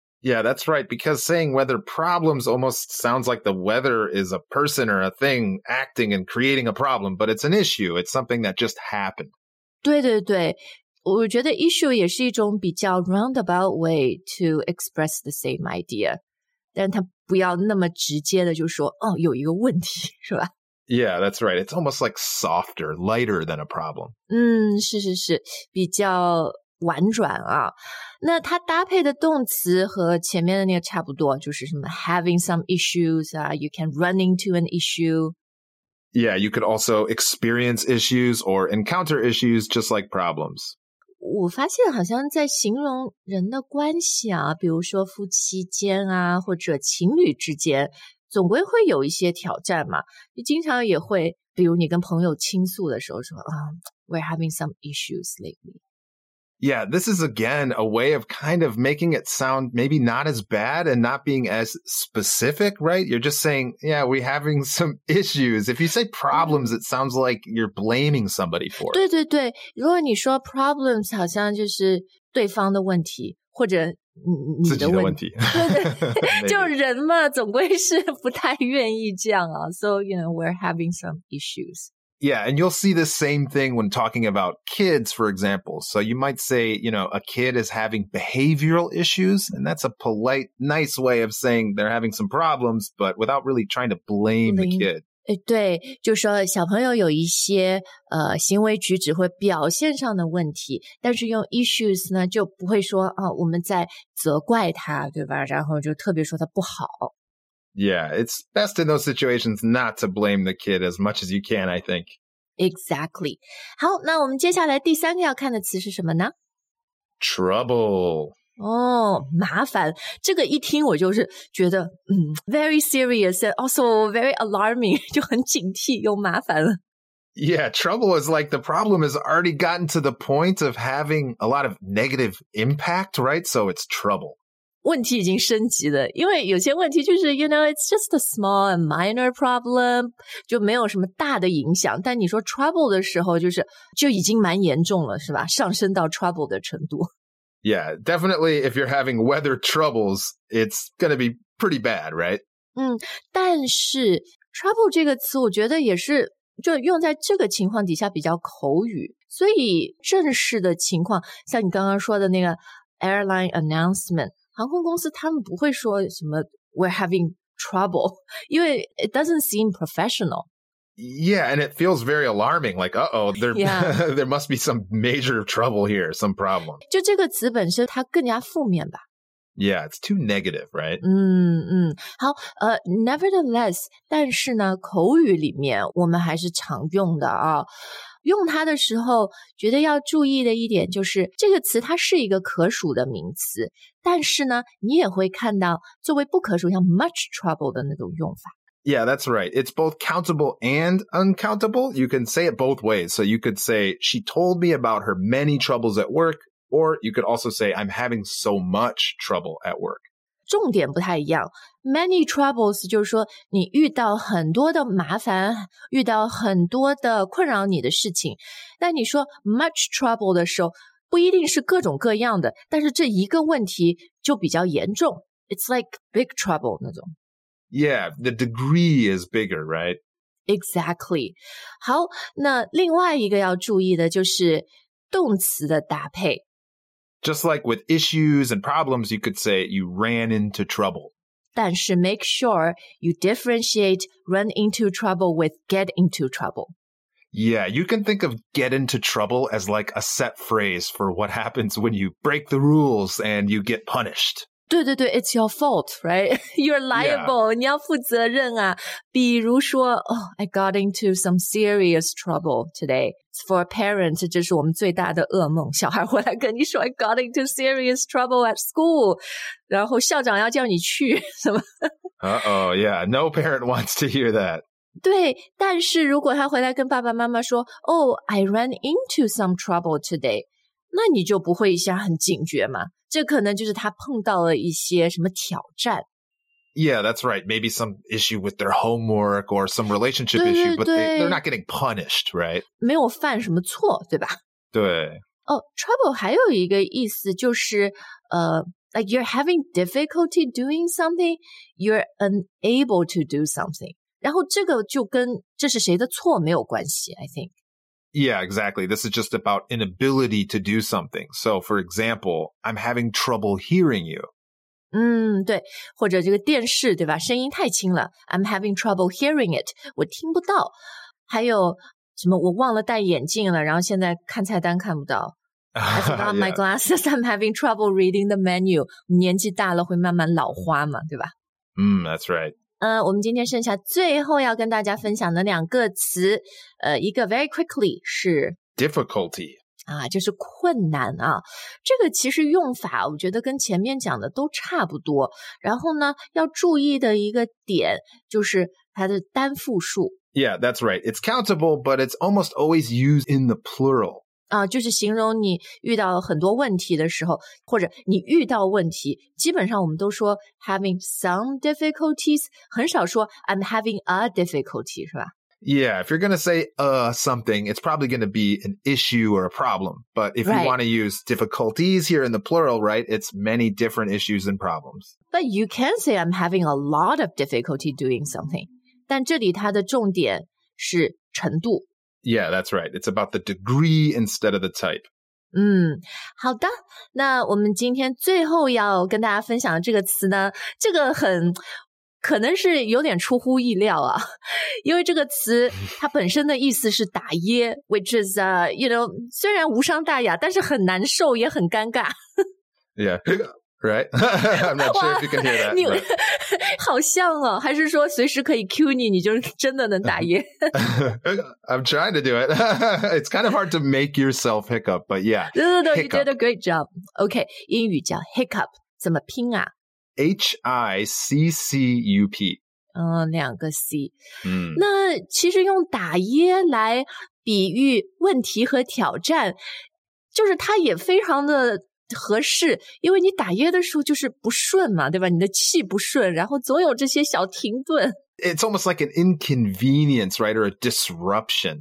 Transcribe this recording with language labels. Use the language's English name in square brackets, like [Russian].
[English] Yeah, that's right, because saying weather problems almost sounds like the weather is a person or a thing acting and creating a problem, but it's an issue. It's something that just happened. [Chinese] 对对对，我觉得 issue 也是一种比较 [English] roundabout way to express the same idea. [Chinese] 但它不要那么直接的就说，哦，有一个问题，是吧？ [English] Yeah, that's right. It's almost like softer, lighter than a problem. [Chinese] 是是是，比较婉转啊，那它搭配的动词和前面的那个差不多，就是什么 [English] having some issues [Chinese] 啊， [English] you can run into an issue. Yeah, you could also experience issues or encounter issues just like problems. [Chinese] 我发现好像在形容人的关系啊，比如说夫妻间啊，或者情侣之间，总归会有一些挑战嘛，就经常也会，比如你跟朋友倾诉的时候说， [English] we're having some issues lately. Yeah, this is again a way of kind of making it sound maybe not as bad and not being as specific, right? You're just saying, yeah, we're having some issues. If you say problems, it sounds like you're blaming somebody for it. [Chinese] 对对对，如果你说 problems 好像就是对方的问题，或者你的问题。就人嘛，总归是不太愿意这样啊。 [English] So, you know, we're having some issues. Yeah, and you'll see the same thing when talking about kids, for example. So you might say, you know, a kid is having behavioral issues, and that's a polite, nice way of saying they're having some problems, but without really trying to blame the kid. [Chinese] 对，就说小朋友有一些行为举止或表现上的问题，但是用 issues 呢，就不会说啊，我们在责怪他，对吧？然后就特别说他不好。 [English] Yeah, it's best in those situations not to blame the kid as much as you can, I think. Exactly. [Chinese] 好，那我们接下来第三个要看的词是什么呢？ [English] Trouble. [Chinese] 哦，麻烦。这个一听我就是觉得 [English] very serious and also very alarming, [Chinese] 就很警惕又麻烦了。 [English] Yeah, trouble is like the problem has already gotten to the point of having a lot of negative impact, right? So it's trouble. [Chinese] 问题已经升级了，因为有些问题就是 [English] you know, it's just a small and minor problem, [Chinese] 就没有什么大的影响，但你说 trouble 的时候就是就已经蛮严重了，是吧？上升到 trouble 的程度。 [English] Yeah, definitely if you're having weather troubles, it's gonna be pretty bad, right? [Chinese] 但是 trouble 这个词我觉得也是就用在这个情况底下比较口语，所以正式的情况，像你刚刚说的那个 [English] airline announcement, [Chinese] 航空公司他们不会说什么 [English] we're having trouble, [Chinese] 因为 [English] it doesn't seem professional. Yeah, and it feels very alarming, like, uh-oh, there must be some major trouble here, some problem. [Chinese] 就这个词本身它更加负面吧。 [English] Yeah, it's too negative, right? [Chinese] 好nevertheless, 但是呢口语里面我们还是常用的啊。用它的时候觉得要注意的一点就是这个词它是一个可数的名词，但是呢你也会看到作为不可数像 much trouble 的那种用法。 [English] Yeah, that's right. It's both countable and uncountable. You can say it both ways. So you could say, she told me about her many troubles at work, or you could also say, I'm having so much trouble at work. [Chinese] 重点不太一样。 Many troubles 就是说你遇到很多的麻烦，遇到很多的困扰你的事情，但你说 much trouble 的时候不一定是各种各样的，但是这一个问题就比较严重， [English] It's like big trouble [Chinese] 那种。 [English] Yeah, the degree is bigger, right? Exactly. [Chinese] 好，那另外一个要注意的就是动词的搭配。 [English] Just like with issues and problems, you could say you ran into trouble. 但是 make sure you differentiate run into trouble with get into trouble. Yeah, you can think of get into trouble as like a set phrase for what happens when you break the rules and you get punished. [Chinese] 对对对 [English] it's your fault, right? You're liable,、yeah. [Chinese] 你要负责任啊。比如说 [English] oh, I got into some serious trouble today. For a parent, [Chinese] 这是我们最大的噩梦。小孩回来跟你说 [English] I got into serious trouble at school. [Chinese] 然后校长要叫你去。 [English] Uh-oh, yeah, no parent wants to hear that. [Chinese] 对但是如果他回来跟爸爸妈妈说 [English] Oh, I ran into some trouble today [Chinese] 那你就不会一下很警觉吗这可能就是他碰到了一些什么挑战 [English] Yeah, that's right. Maybe some issue with their homework or some relationship [Chinese] 对对对 [English] issue, but they're not getting punished, right? [Chinese] 没有犯什么错对吧对 [English] 哦、oh, trouble [Chinese] 还有一个意思就是 [English] like you're having difficulty doing something, you're unable to do something. [Chinese] 然后这个就跟这是谁的错没有关系 [English] I think. Yeah, exactly. This is just about inability to do something. So, for example, I'm having trouble hearing you. [Chinese] 嗯，对，或者这个电视，对吧？声音太轻了。 [English] I'm having trouble hearing it. [Chinese] 我听不到。还有什么？我忘了戴眼镜了，然后现在看菜单看不到。 [English] I forgot my glasses. I'm having trouble reading the menu. [Chinese] 年纪大了会慢慢老花嘛，对吧？ [English] 嗯，That's right. [Chinese] 我们今天剩下最后要跟大家分享的两个词一个 [English] very quickly [Chinese] 是 [English] difficulty [Chinese] 啊就是困难啊这个其实用法我觉得跟前面讲的都差不多然后呢要注意的一个点就是它的单复数 [English] Yeah, that's right. It's countable, but it's almost always used in the plural. [Chinese] 啊就是形容你遇到很多问题的时候或者你遇到问题基本上我们都说 [English] having some difficulties, [Chinese] 很少说 [English] I'm having a difficulty, [Chinese] 是吧 [English] Yeah, if you're going to say something, it's probably going to be an issue or a problem. But if、 right. you want to use difficulties here in the plural, right, it's many different issues and problems. But you can say I'm having a lot of difficulty doing something. [Chinese] 但这里它的重点是程度。 [English] Yeah, that's right. It's about the degree instead of the type. [Chinese] 嗯，好的。那我们今天最后要跟大家分享的这个词呢，这个很，可能是有点出乎意料啊，因为这个词它本身的意思是打噎， [English] which is, you know, [Chinese] 虽然无伤大雅，但是很难受，也很尴尬。 [English] yeah. Right? I'm not sure if you can hear that. 你好像哦，还是说随时可以 cue 你，你就真的能打噎。 I'm trying to do it. It's kind of hard to make yourself hiccup, but yeah. No, no, no, you did a great job. [Chinese] Okay, 英语叫 hiccup, 怎么拼啊 [English] H-I-C-C-U-P. [Chinese] 两个 C. 那其实用打噎来比喻问题和挑战，就是它也非常的合适因为你打噎的时候就是不顺嘛对吧你的气不顺然后总有这些小停顿。 [English] It's almost like an inconvenience, right, or a disruption.